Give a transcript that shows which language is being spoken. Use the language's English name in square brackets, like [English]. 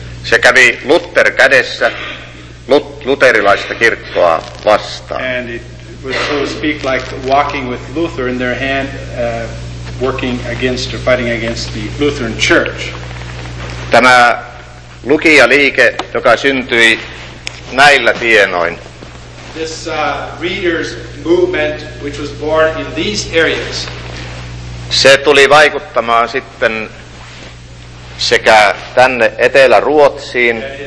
[Finnish] Se kävi Luther kädessä luterilaista kirkkoa vastaan. [English] And it was so to speak like walking with Luther in their hand working against or fighting against the Lutheran church. [Finnish] Tämä lukijaliike, joka syntyi näillä tienoin. [English] This readers movement which was born in these areas. [Finnish] Se tuli vaikuttamaan sitten sekä tänne Etelä-Ruotsiin